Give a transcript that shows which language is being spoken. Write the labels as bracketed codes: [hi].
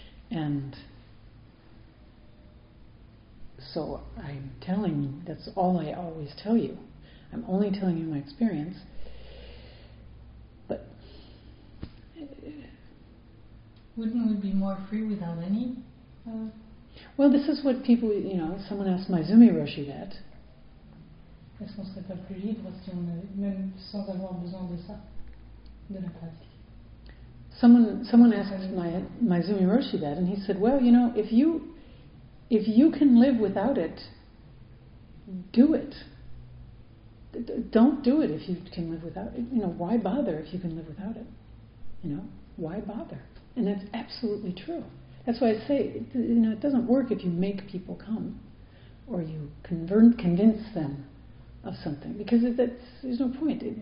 [en] And so I'm telling you, that's all I always tell you. I'm only telling you my experience. But wouldn't we be more free without any? Well, this is what people, you know, someone asked Maizumi Roshi that. [fr] Est-ce qu'on serait pas plus libre si on avait, même sans avoir besoin de ça, de la pratique? [en] Someone asked Maizumi Roshi that, and he said, well, you know, if you can live without it, do it. Don't do it if you can live without it. You know, why bother if you can live without it? You know, why bother? And that's absolutely true. That's why I say, you know, it doesn't work if you make people come or you convince them of something, because there's no point.